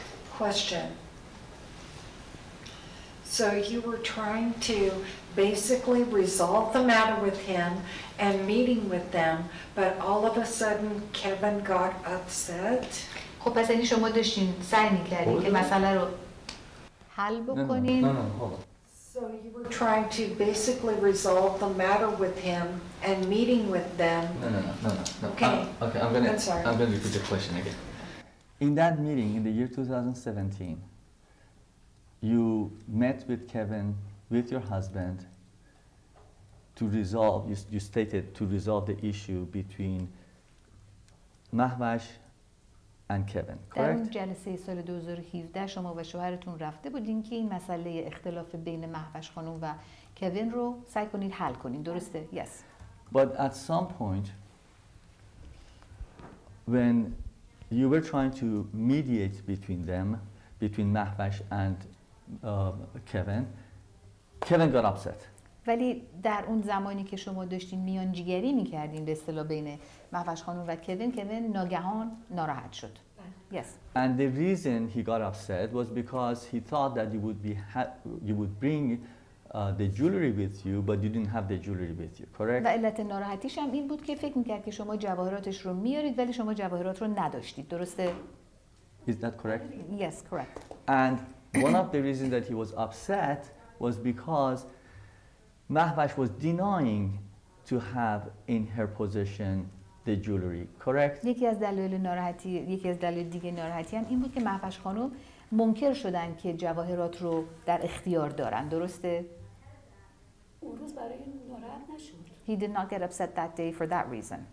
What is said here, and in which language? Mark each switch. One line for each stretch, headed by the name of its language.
English: Question. So you were trying to basically resolve the matter with him and meeting with them, but all of a sudden Kevin got upset.
Persian: خب پس یعنی شما داشتین سعی می‌کردین که مسئله رو حل بکنین.
English: So you were trying to basically resolve the matter with him and meeting with them. No. Okay, I'm going to repeat the question again. In that meeting in the year 2017, you met with Kevin, with your husband, to resolve, you stated, to resolve the issue between Mahvash and Kevin, correct?
Persian: در جلسه سال 2017 شما و شوهرتون رفته بودین که این مسئله اختلاف بین مهوش خانم و کوین رو سعی کنید حل کنید. درسته؟
English: Yes. But at some point, when you were trying to mediate between them, between Mahvash and Kevin got upset.
Persian: ولی در اون زمانی که شما داشتین میانجیگری می‌کردین به اصطلاح بین مهوش خانم و کوین ناگهان ناراحت شد.
English: Yes. And the reason he got upset was because he thought that you would bring the jewelry with you but you didn't have the jewelry with you, correct?
Persian: و علت ناراحتیش هم این بود که فکر می‌کرد که شما جواهراتش رو میارید ولی شما جواهرات رو نداشتید. درسته؟
English: Is that correct? Yes, correct. And one of the reasons that he was upset was because Mahvash was denying to have in her possession the jewelry, correct?
Persian: یکی از دلایل دیگه ناراحتی هم این بود که مهوش خانم منکر شدن که جواهرات رو در اختیار دارن. درسته؟ اون روز برای ناراحت نشد.
English: He did not get upset that day for that reason.